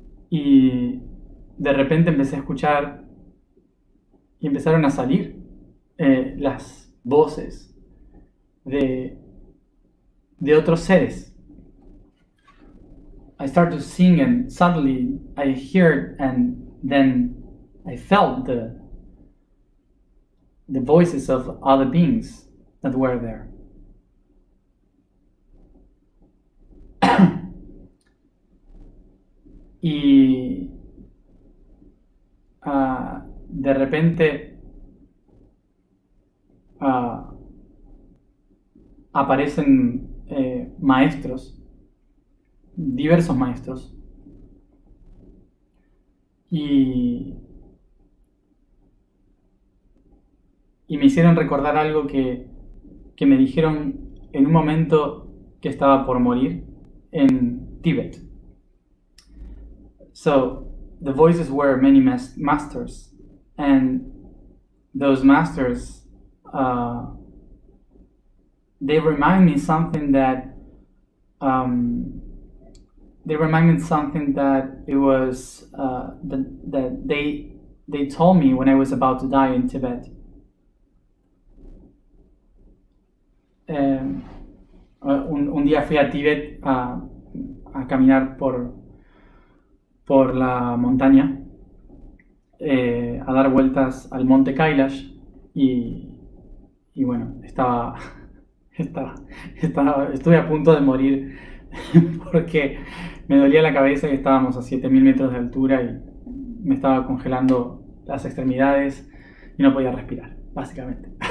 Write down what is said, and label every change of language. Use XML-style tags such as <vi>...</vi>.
<es>Y de repente empecé a escuchar y empezaron a salir las voces de otros seres.</es> <en>I started to sing and suddenly I heard and then I felt the voices of other beings that were there.</en> <es>Y de repente aparecen maestros, diversos maestros, y me hicieron recordar algo que me dijeron en un momento que estaba por morir en Tíbet.</es> <en>So the voices were many masters, and those masters they remind me something that they remind me something that it was that they told me when I was about to die in Tibet.</en> <es>Un día fui a Tíbet a caminar por la montaña, a dar vueltas al monte Kailash, y bueno, estuve a punto de morir porque me dolía la cabeza y estábamos a 7000 metros de altura y me estaba congelando las extremidades y no podía respirar, básicamente.</es>